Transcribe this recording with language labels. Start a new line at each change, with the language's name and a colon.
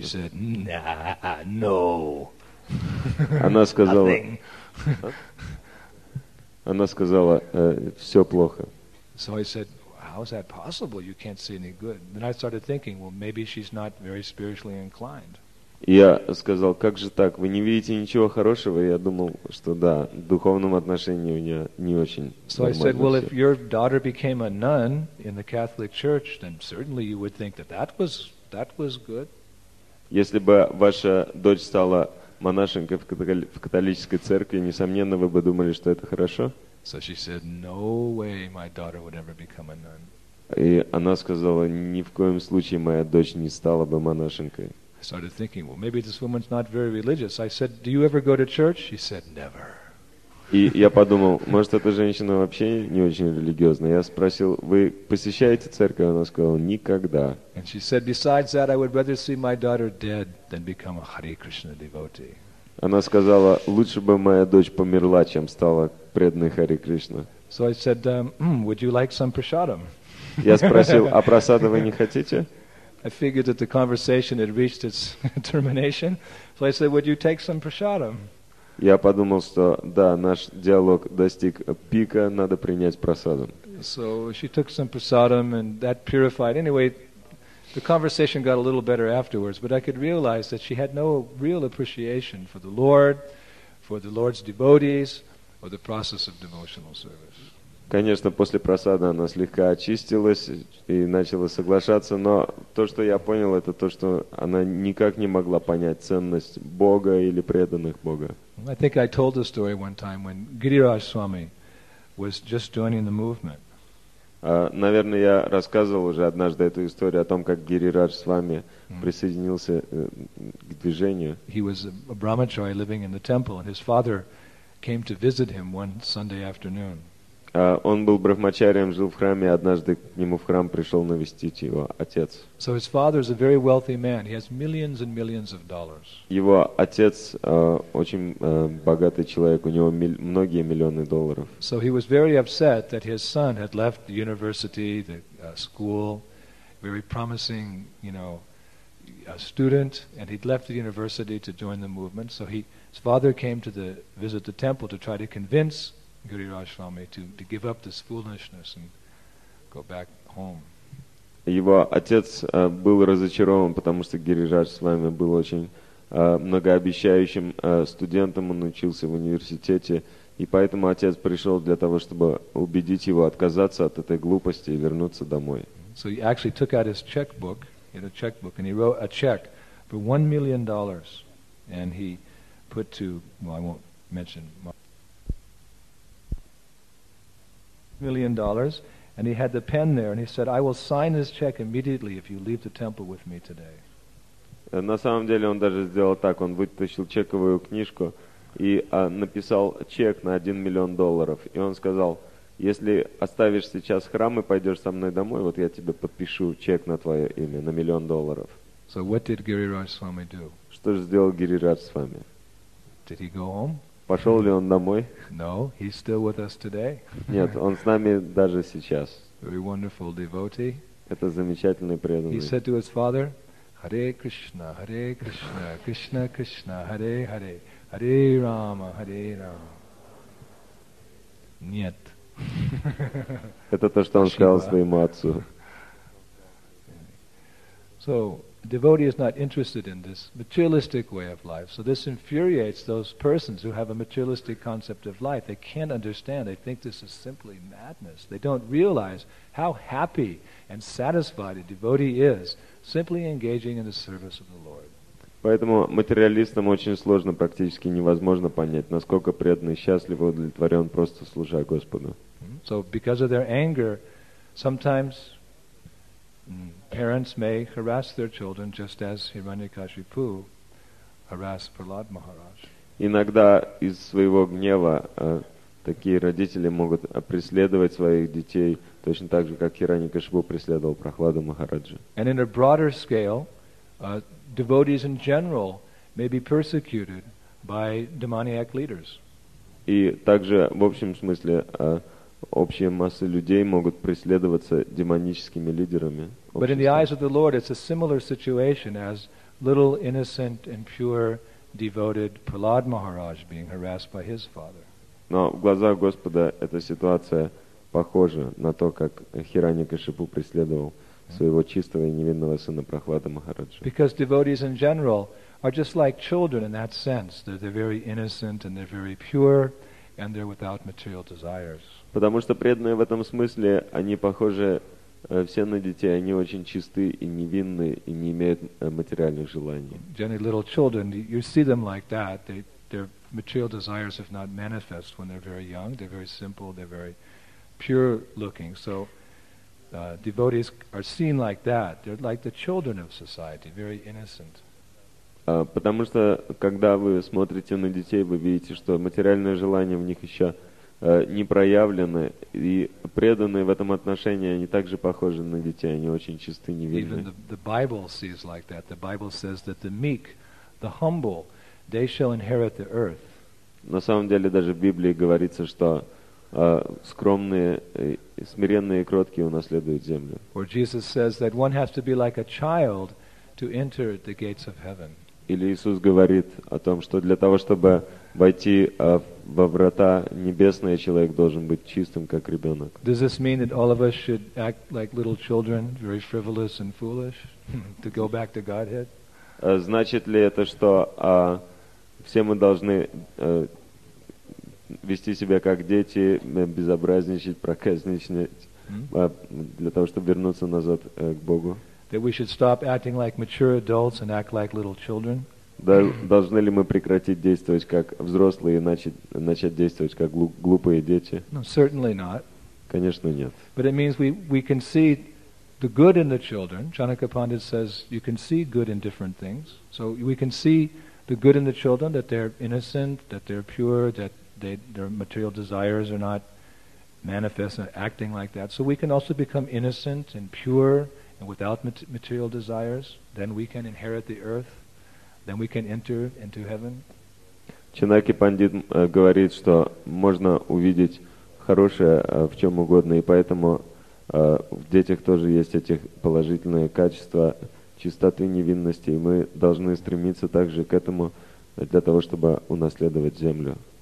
English: She said, nah, no.
Russian: Она сказала, она сказала, все плохо.
English: So I said, how is that possible? You can't see any good. Then I started thinking, well, maybe she's not very spiritually inclined.
Russian: Я сказал, как же так? Вы не видите ничего хорошего? Я думал, что да, в духовном отношении у нее не очень.
English: So I said, well, if your daughter became a nun in the Catholic Church, then certainly you would think that that was good.
Russian: Если бы ваша дочь стала монашенкой в католической церкви, несомненно, вы бы думали, что это хорошо.
English: So she said, no way my daughter would ever become a nun.
Russian: И она сказала, ни в коем случае моя дочь не стала бы монашенкой.
English: I started thinking, well, maybe this woman's not very religious. I said, do you ever go to church? She said, never.
Russian: И я подумал, может, эта женщина вообще не очень религиозная. Я спросил, вы посещаете церковь? Она сказала, никогда.
English: And she said, besides that, I would rather see my daughter dead than become a Hare Krishna devotee.
Russian: Она сказала, лучше бы моя дочь померла, чем стала преданной Харе Кришна.
English: So I said, would you like some prasadam?
Russian: Я спросил, а прасада вы не хотите?
English: I figured that the conversation had reached its termination. So I said, would you take some prasadam?
Russian: Я подумал, что да, наш диалог достиг пика, надо принять прасадам.
English: So she took some prasadam and that purified. Anyway, the conversation got a little better afterwards, but I could realize that she had no real appreciation for the Lord, for the Lord's devotees, or the process of devotional service.
Russian: Конечно, после просады она слегка очистилась и начала соглашаться, но то, что я понял, это то, что она никак не могла понять ценность Бога или преданных Бога.
English: I think I told the story one time when Giriraj Swami was just joining the movement.
Russian: Наверное, я рассказывал уже однажды эту историю о том, как Гирирадж Свами присоединился к движению.
English: He was a brahmachari living in the temple, and his father came to visit him one Sunday afternoon.
Russian: Он был брахмачарием, жил в храме, однажды к нему в храм пришел навестить его отец.
English: So his father is a very wealthy man. He has millions and millions of dollars.
Russian: Его отец очень богатый человек, у него многие миллионы долларов.
English: So he was very upset that his son had left the university, the school, very promising, you know, a student, and he'd left the university to join the movement. So his father came to visit the temple to try to convince Giriraj Swami to give up this foolishness and go back home.
Russian: Его отец был разочарован, потому что Гирирадж Свами был очень многообещающим студентом, он учился в университете, и поэтому отец пришел для того, чтобы убедить его отказаться от этой глупости и вернуться домой.
English: So he actually took out his checkbook, he had a checkbook, and he wrote a check for $1 million, and he put to, well, I won't mention $1 million, and he had the pen there, and he said, "I will sign this check immediately if you leave the temple with me today."
Russian: На самом деле он даже сделал так: он вытащил чековую книжку и написал чек на $1 million, и он сказал, "Если оставишь сейчас храм и пойдешь со мной домой, вот я тебе подпишу чек на твое имя на $1 million."
English: So what did Giriraj Swami do?
Russian: Что же сделал Гирирадж Свами?
English: Did he go home?
Russian: Пошел ли он домой?
English: No, he's still with us today.
Russian: Нет, он с нами даже сейчас.
English: Very wonderful devotee.
Russian: Это замечательный преданный.
English: He said to his father, Hare Krishna, Hare Krishna, Krishna Krishna, Hare Hare, Hare Rama, Hare Rama.
Russian: Нет. Это то, что он сказал своему отцу.
English: So, the devotee is not interested in this materialistic way of life. So this infuriates those persons who have a materialistic concept of life. They can't understand. They think this is simply madness. They don't realize how happy and satisfied a devotee is simply engaging in the service of the Lord.
Russian: Поэтому материалистам очень сложно, практически невозможно понять, насколько преданный счастлив и удовлетворен, просто служа Господу.
English: So because of their anger, sometimes parents may harass their children just as Hiranyakashipu harassed Prahlad Maharaj.
Russian: Иногда из своего гнева такие родители могут преследовать своих детей точно так же, как Хираньякашипу преследовал Прахлада Махараджа.
English: And in a broader scale, devotees in general may be persecuted by demoniac leaders.
Russian: И также в общем смысле общая масса людей могут преследоваться демоническими лидерами. Общества.
English: But in the eyes of the Lord, it's a similar situation as little innocent and pure devoted Prahlad Maharaj being harassed by his father.
Russian: Но в глазах Господа эта ситуация похоже на то, как Хиранья-Кашипу преследовал своего чистого и невинного сына Прохлада Махараджи.
English: Because devotees in general are just like children in that sense. They're very innocent and they're very pure and they're without material desires.
Russian: Потому что преданные в этом смысле, они похожи все на детей, они очень чисты и невинны и не имеют материальных желаний.
English: Generally, little children, you see them like that. Their material desires, if not manifest, when they're very young, they're very simple, they're very pure looking. So devotees are seen like that. They're like the children of society, very innocent.
Russian: Потому что когда вы смотрите на детей, вы видите, что материальные желания в них еще не проявлены, и преданные в этом отношении, они также похожи на детей, они очень чисты, невинны.
English: Even the Bible sees like that. The Bible says that the meek, the humble, they shall inherit the earth.
Russian: На самом деле даже в Библии говорится, что скромные, смиренные и кроткие унаследуют землю.
English: Or Jesus says that one has to be like a child to enter the gates of heaven.
Russian: Или Иисус говорит о том, что для того, чтобы войти во врата небесные, человек должен быть чистым, как ребенок.
English: Does this mean that all of us should act like little children, very frivolous and foolish, to go back to Godhead?
Russian: Значит ли это, что все мы должны вести себя как дети, безобразничать, проказничать, для того, чтобы вернуться назад к Богу?
English: That we should stop acting like mature adults and act like little children?
Russian: Должны ли мы прекратить действовать как взрослые и начать действовать как глупые дети?
English: No, certainly not.
Russian: Конечно, нет.
English: But it means we can see the good in the children. Chanaka Pandit says you can see good in different things. So we can see the good in the children, that they're innocent, that they're pure, that their material desires are not manifest and acting like that. So we can also become innocent and pure and without material desires. Then we can inherit the earth. Then we can enter into heaven.
Russian: Чанаки Пандит говорит, что можно увидеть хорошее в чем угодно, и поэтому в детях тоже есть эти положительные качества чистоты, невинности, и мы должны стремиться также к этому для того, чтобы унаследовать землю.